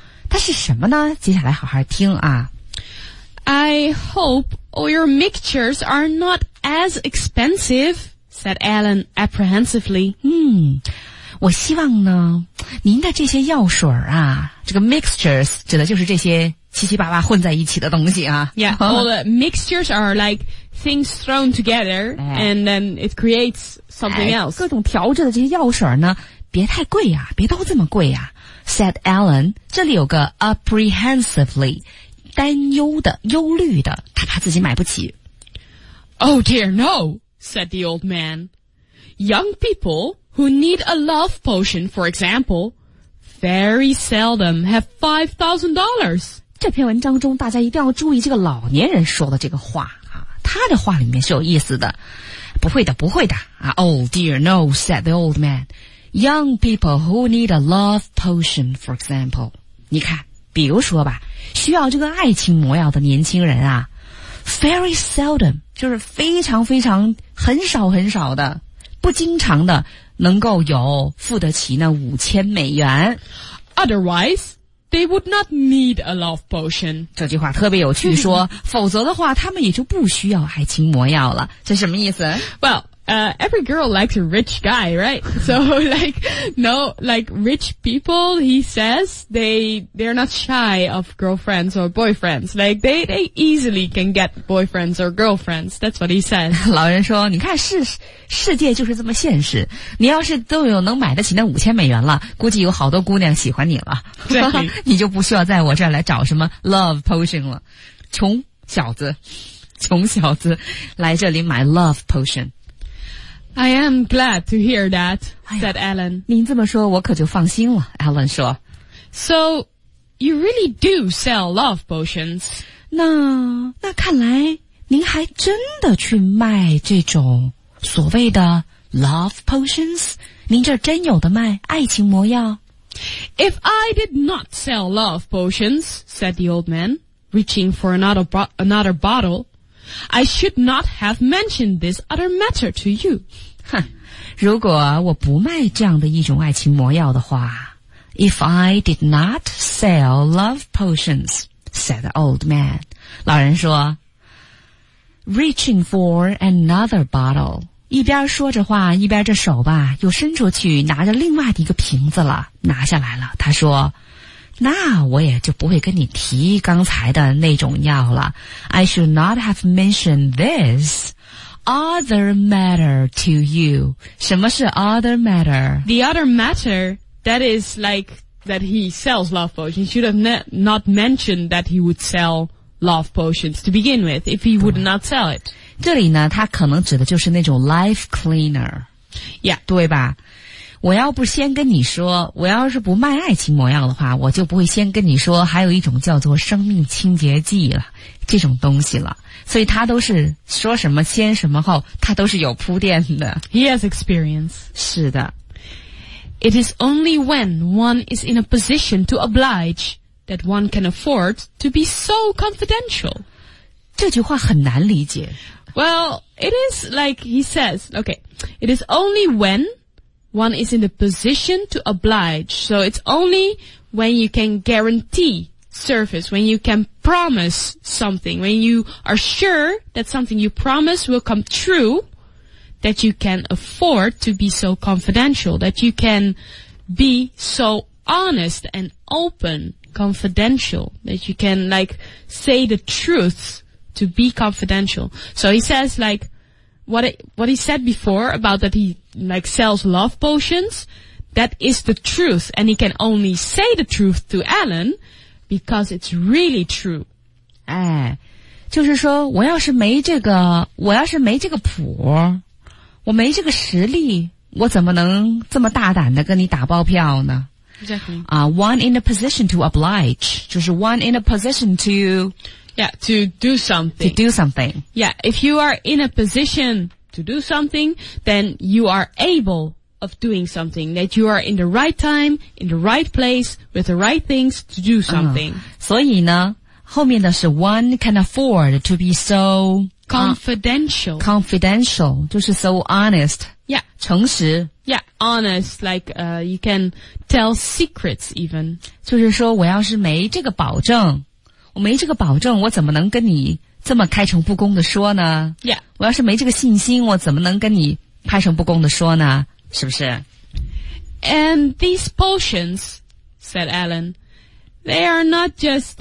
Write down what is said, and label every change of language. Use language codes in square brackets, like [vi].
[zh] 这故事呢,其实讲的既不是什么爱情毒药,它也不是解药,它也不是失忆的药。它是什么呢?接下来好好听啊。 [en] I hope all your mixtures are not as expensive, said Alan apprehensively. Hmm. [zh] 我希望呢，您的这些药水啊，这个 mixtures 指的就是这些七七八八混在一起的东西啊。 [en] Yeah, all the mixtures are like things thrown together, and then it creates something else. [zh] 各种调制的这些药水呢，别太贵啊，别都这么贵啊。 [en] Said Alan, [zh] 这里有个 apprehensively, 担忧的，忧虑的，他怕自己买不起。 [en] Oh dear no, said the old man. Young people who need a love potion, for example, very seldom have $5,000. [zh] 这篇文章中大家一定要注意这个老年人说的这个话啊，他的话里面是有意思的。不会的，不会的啊。 [en] Oh dear no, said the old man. Young people who need a love potion, for example. [zh] 你看，比如说吧，需要这个爱情魔药的年轻人啊， [en] very seldom, [zh] 就是非常非常很少很少的，不经常的能够有付得起那$5,000。 [en] Otherwise, they would not need a love potion. [zh] 这句话特别有趣，说否则的话，他们也就不需要爱情魔药了。这什么意思？ [en] Well, every girl likes a rich guy, right? So, like, no, like rich people, he says they're not shy of girlfriends or boyfriends. Like they easily can get boyfriends or girlfriends. That's what he says. [zh] 老人说，你看世界就是这么现实。你要是都有能买得起那$5,000了，估计有好多姑娘喜欢你了。对，你就不需要在我这儿来找什么 love potion 了。穷小子，来这里买 love potion。 [en] I am glad to hear that, said Alan. [zh] 您这么说我可就放心了， Alan 说。 [en] So, you really do sell love potions. [zh] 那看来您还真的去卖这种所谓的 love potions? 您这真有的卖爱情魔药？ [en] If I did not sell love potions, said the old man, reaching for another bottle,I should not have mentioned this other matter to you. [zh] 如果我不卖这样的一种爱情魔药的话， [en] If I did not sell love potions, said the old man. [zh] 老人说， [en] Reaching for another bottle. [zh] 一边说着话，一边着手吧，又伸出去拿着另外的一个瓶子了，拿下来了。他说，那我也就不会跟你提刚才的那种药了。 [en] I should not have mentioned this other matter to you. [zh] 什么是 other matter? [en] The other matter, that is like that he sells love potions. He should have not mentioned that he would sell love potions to begin with if he would not sell it. [zh] 这里呢，他可能指的就是那种 life cleaner. [en] Yeah. [zh] 对吧？我要不先跟你说，我要是不卖爱情魔药的话，我就不会先跟你说还有一种叫做生命清洁剂了，这种东西了。所以他都是说什么先什么后，他都是有铺垫的。 [en] He has experience. [zh] 是的。 [en] It is only when one is in a position to oblige that one can afford to be so confidential. [zh] 这句话很难理解。 [en] Well, it is like he says, okay, it is only whenOne is in the position to oblige. So it's only when you can guarantee service, when you can promise something, when you are sure that something you promise will come true, that you can afford to be so confidential, that you can be so honest and open, confidential, that you can like say the truth to be confidential. So he says like,What he said before about that he like sells love potions, that is the truth, and he can only say the truth to Alan because it's really true. [zh] 哎，就是说我要是没这个谱，我没这个实力，我怎么能这么大胆的跟你打包票呢？ [en] Exactly. One in a position to oblige, [zh] 就是 [en] one in a position to. Yeah, to do something. To do something. Yeah, if you are in a position to do something, then you are able of doing something. That you are in the right time, in the right place, with the right things to do something. [zh] 所以呢，后面的是 [en] one can afford to be so... Confidential. Confidential, [zh] 就是 [en] so honest. Yeah. [zh] 诚实。 [en] Yeah, honest, like, you can tell secrets even. [zh] 就是说我要是没这个保证，我没这个保证，我怎么能跟你这么开诚布公的说呢？ [en] Yeah. [zh] 我要是没这个信心，我怎么能跟你开诚布公的说呢？是不是？ [en] And these potions, said Alan, they are not just,